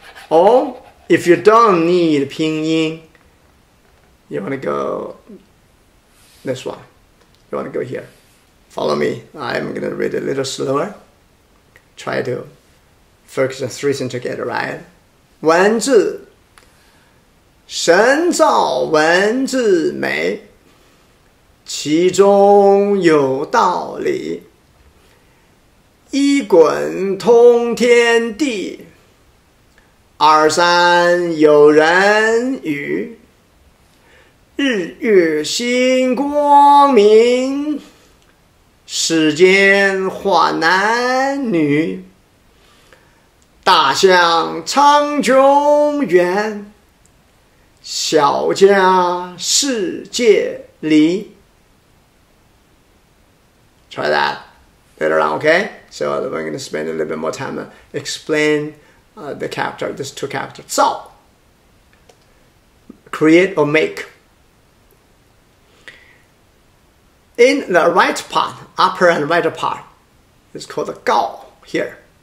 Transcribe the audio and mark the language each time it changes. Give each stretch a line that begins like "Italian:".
English: Or if you don't need pinyin, you want to go this one. You want to go here. Follow me. I'm going to read it a little slower. Try to focus on three things together, right?
Chinese: 文字，神造文字美，其中有道理。一滚通天地，二三有人语。日月星光明，世间话男女，大象苍穹远，小家世界里。
English: Try that later on, okay? So we're going to spend a little bit more time to explain the character, these two characters. So, create or make. In the right part, upper and right part, it's called the gao here.